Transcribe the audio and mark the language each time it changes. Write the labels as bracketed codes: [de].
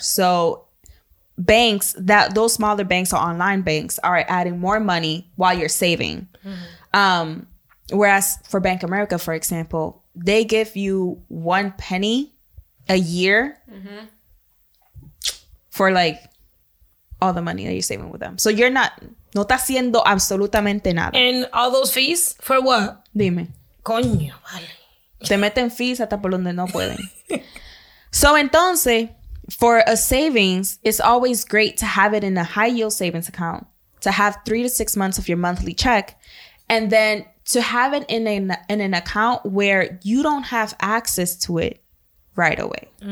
[en] So banks, that those smaller banks or online banks are adding more money while you're saving. Mm-hmm. Whereas for Bank America, for example, they give you one penny a year for like all the money that you're saving with them. So you're not... [es] No está haciendo absolutamente nada. [en] And all those fees for what? [es] Dime. Coño, vale. Te meten fees hasta por donde no pueden. [en] So entonces, for a savings, it's always great to have it in a high yield savings account, to have 3 to 6 months of your monthly check, and then to have it in an account where you don't have access to it right away.